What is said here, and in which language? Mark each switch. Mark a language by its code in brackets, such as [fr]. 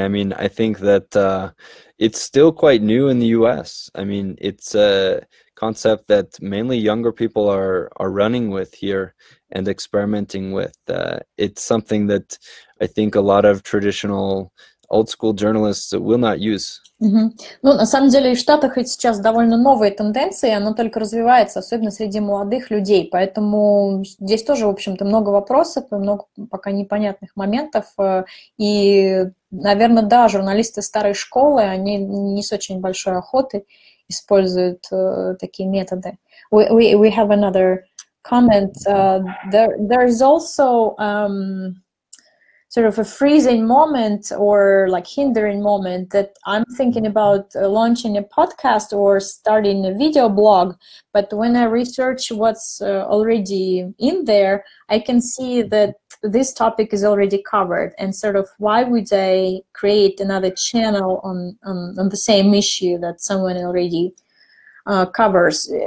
[en] I mean, I think that it's still quite new in the U.S. I mean, it's a concept that mainly younger people are running with here and experimenting with. It's something that I think a lot of traditional old school journalists will not use. Mm-hmm. [ru] Ну, на самом деле, в Штатах ведь сейчас довольно новая тенденция, она только развивается, особенно среди молодых людей, поэтому здесь тоже, в общем-то, много вопросов и много пока непонятных моментов, и, наверное, да, журналисты старой школы, они не с очень большой охотой используют такие методы. [en] We have another comment. There is also sort of a freezing moment or like hindering moment that I'm thinking about launching a podcast or starting a video blog, but when I research what's already in there, I can see that this topic is already covered, and sort of why would I create another channel on the same issue that someone already covers?